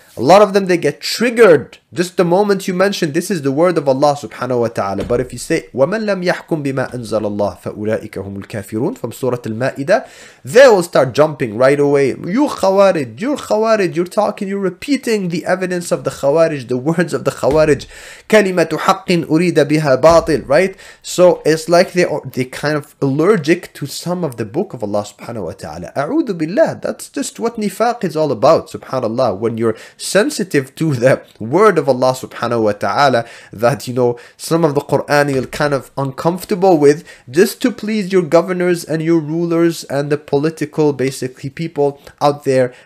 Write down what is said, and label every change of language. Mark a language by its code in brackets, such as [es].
[en] A lot of them, they get triggered just the moment you mention this is the word of Allah subhanahu wa ta'ala. But if you say, [ar] وَمَنْ لَمْ يَحْكُمْ بِمَا أَنزَلَ اللَّهِ فَأُولَٰئِكَ هُمُ الْكَافِرُونَ [en] from Surah Al-Ma'idah, they will start jumping right away. You're Khawarij, you're talking, you're repeating the evidence of the Khawarij, the words of the Khawarij. [ar] كَلِمَةُ حَقٍ أُرِيدَ بِهَا بَاطِلٍ, right? [en] So it's like they're kind of allergic to some of the book of Allah subhanahu wa ta'ala. [ar] أَعُوذُ بِاللَّهِ, [en] that's just what nifaq is all about, subhanallah. When you're sensitive to the word of Allah subhanahu wa ta'ala, that, you know, some of the Quran you're kind of uncomfortable with, just to please your governors and your rulers and the political, basically, people out there.